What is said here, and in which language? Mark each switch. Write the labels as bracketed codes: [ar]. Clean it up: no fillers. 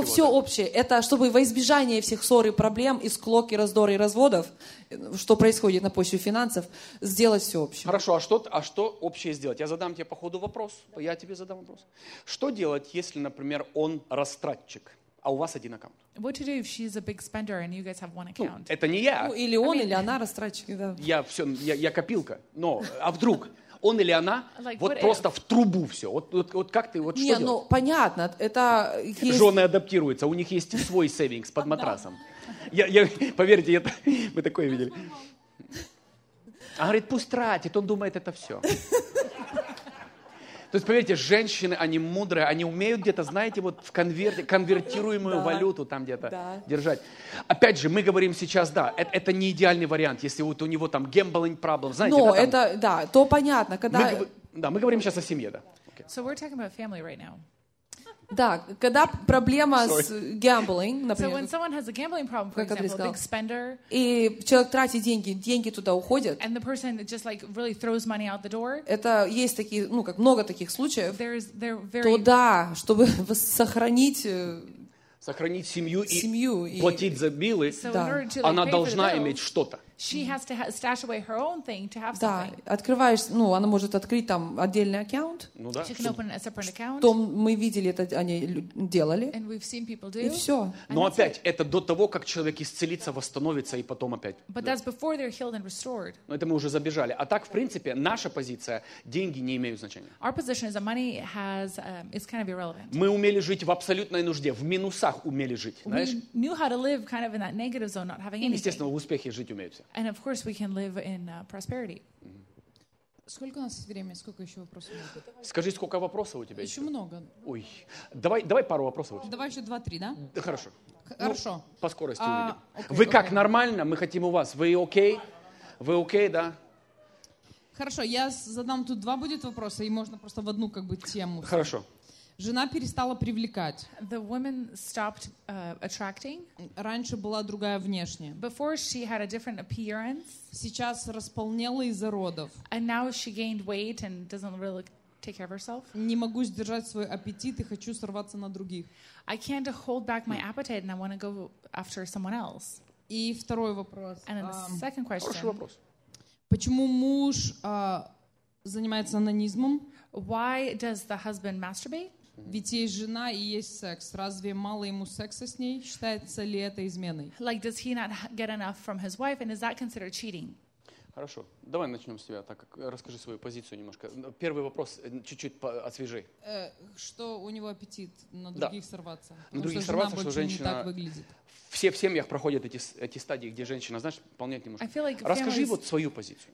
[ru] Но все общее, это чтобы во избежание всех ссор и проблем, и склок, и раздор, и разводов, что происходит на почве финансов, сделать все общее. Хорошо, а что общее сделать? Я задам тебе по ходу вопрос. Да. Я тебе задам вопрос. Что делать, если, например, он растратчик, а у вас один аккаунт? [en] What to do if she's a big spender and you guys have one account? [ru] Ну, это не я. Ну, или он, [en] I mean, [ru] или она растратчик. Да. Я копилка. Но, а вдруг? Он или она, [en] like, [ru] вот просто в трубу все. Вот как ты, вот что не, делать? Ну, понятно. Это есть... Жены адаптируются. У них есть свой сейвингс под матрасом. Я, поверьте, мы такое видели. А говорит, пусть тратит, он думает это все. То есть, поверьте, женщины, они мудрые, они умеют где-то, знаете, вот в конвертируемую валюту там где-то держать. Опять же, мы говорим сейчас, да, это не идеальный вариант, если вот у него там gambling problem, знаете. Но это, да, то понятно, когда... Да, мы говорим сейчас о семье, да. [en] So we're talking about family right now. [ru] Да, когда проблема с gambling, например. [en] So when someone has a gambling problem, for example, a big spender. [ru] И человек тратит деньги, деньги туда уходят. [en] And the person just like really throws money out the door. [ru] Это есть такие, ну как много таких случаев. [en] They're very... [ru] То да, чтобы сохранить семью и платить за биллы, она должна иметь что-то. [en] She has to stash away her own thing to have something. [ru] Да, открываешь, ну, она может открыть там отдельный аккаунт. Ну да. [en] She can open a separate account. [ru] Что мы видели, это они делали. [en] And we've seen people do. [ru] И все. Но опять, это до того, как человек исцелится, восстановится и потом опять. [en] But that's before they're healed and restored. [ru] Но это мы уже забежали. А так, в принципе, наша позиция, деньги не имеют значения. [en] Our position is that money has, it's kind of irrelevant. [ru] Мы умели жить в абсолютной нужде, в минусах умели жить, знаешь? [en] We knew how to live kind of in that negative zone, not having anything. [ru] Естественно, в успехе жить умеют. [en] And of course, we can live in prosperity. [ru] Сколько у нас времени? Сколько еще вопросов? Скажи, сколько вопросов у тебя еще? Еще много. Ой, давай пару вопросов. Давай еще 2-3, да? Хорошо. Хорошо. Ну, по скорости увидим. Вы как, нормально? Мы хотим у вас. Вы окей? Вы окей, да? Хорошо, я задам тут 2 будет вопроса, и можно просто в одну как бы тему. Хорошо. Жена перестала привлекать. [en] The woman stopped attracting. [ru] Раньше была другая внешне. [en] Before she had a different appearance. [ru] Сейчас располнела из-за родов. [en] And now she gained weight and doesn't really take care of herself. [ru] Не могу сдержать свой аппетит и хочу сорваться на других. [en] I can't hold back my appetite and I want to go after someone else. [ru] И второй вопрос. [en] And then the second question. [ru] Хороший вопрос. Почему муж занимается онанизмом? [en] Why does the husband masturbate? [ru] Ведь есть жена и есть секс. Разве мало ему секса с ней? Считается ли это изменой? [en] Like, does he not get enough from his wife, and is that considered cheating? [ru] Хорошо. Давай начнем с тебя. Так как расскажи свою позицию немножко. Первый вопрос чуть-чуть освежи. Что у него аппетит на других сорваться? На других сорваться, что женщина... Все в семьях проходят эти стадии, где женщина, знаешь, выполняет немножко. [en] Like [ru] расскажи вот свою позицию.